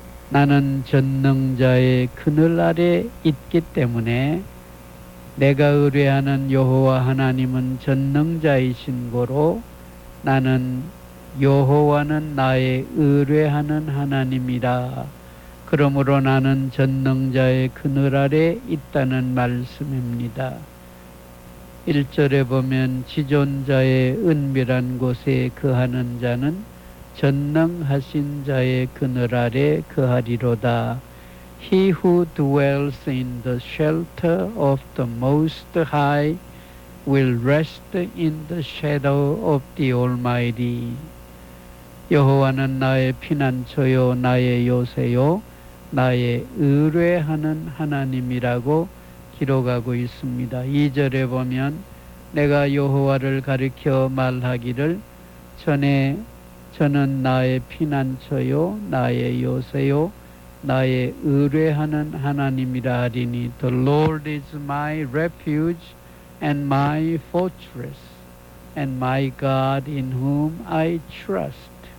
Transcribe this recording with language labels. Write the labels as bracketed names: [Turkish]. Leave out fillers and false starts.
[Korean] 나는 전능자의 그늘 아래 있기 때문에 내가 의뢰하는 여호와 하나님은 전능자이신 고로 나는 여호와는 나의 의뢰하는 하나님이라 그러므로 나는 전능자의 그늘 아래 있다는 말씀입니다. 1절에 보면 지존자의 은밀한 곳에 거하는 자는 전능하신 자의 그늘 아래 거하리로다. [English] He who dwells in the shelter of the Most High will rest in the shadow of the Almighty. [Korean] 여호와는 나의 피난처요 나의 요새요 나의 의뢰하는 하나님이라고 기록하고 있습니다. 2절에 보면 내가 여호와를 가리켜 말하기를 전에 저는 나의 피난처요 나의 요새요 나의 의뢰하는 하나님이라 하리니 [English] The Lord is my refuge and my fortress and my God in whom I trust.